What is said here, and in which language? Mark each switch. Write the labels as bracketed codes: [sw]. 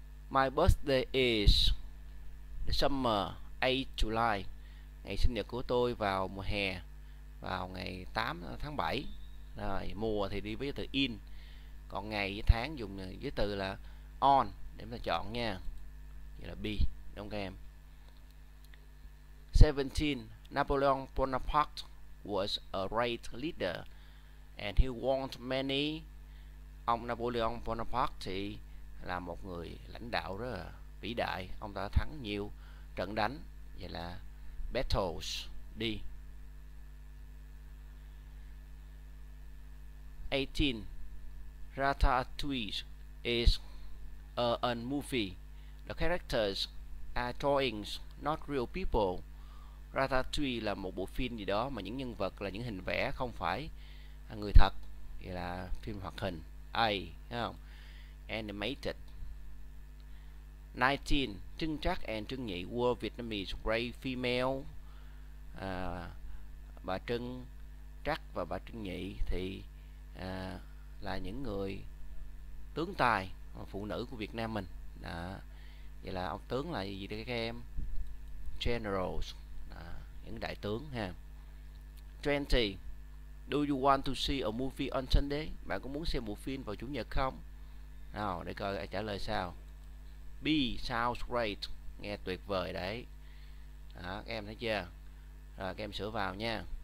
[en] My birthday is the summer, 8 July. [vi] Ngày sinh nhật của tôi vào mùa hè. vào ngày 8 tháng 7. Rồi, mùa thì đi với từ in, còn ngày với tháng dùng với từ là on để mà chọn nha. Vậy là B, đúng không các em? 17. [en] Napoleon Bonaparte was a great leader and he warned many. [vi] Ông Napoleon Bonaparte thì là một người lãnh đạo rất là vĩ đại, ông ta thắng nhiều trận đánh, vậy là battles đi. [en] 18. Ratatouille is a movie. The characters are drawings, not real people. [vi] Ratatouille là một bộ phim gì đó mà những nhân vật là những hình vẽ không phải người thật, vậy là phim hoạt hình. Ai không? Animated. 19. [en] Trưng Trắc and Trưng Nhị were Vietnamese great female. [vi] Bà Trưng Trắc và bà Trưng Nhị thì là những người tướng tài phụ nữ của Việt Nam mình. Đó. Vậy là ông tướng là gì đây các em? Generals. Đó. Những đại tướng ha. 20. [en] Do you want to see a movie on Sunday? [vi] Bạn có muốn xem bộ phim vào chủ nhật không? Nào, để coi trả lời sao. [en] B sounds great, [vi] nghe tuyệt vời đấy. Đó, các em thấy chưa? Rồi các em sửa vào nha.